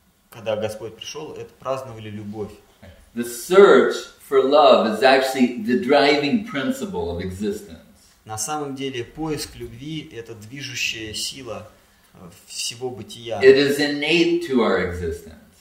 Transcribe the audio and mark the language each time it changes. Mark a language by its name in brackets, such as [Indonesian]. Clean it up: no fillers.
[Russian] Когда Господь пришел, это праздновали любовь. [English] The search for love is actually the driving principle of existence. [Russian] На самом деле, поиск любви — это движущая сила всего бытия. [English] It is innate to our existence.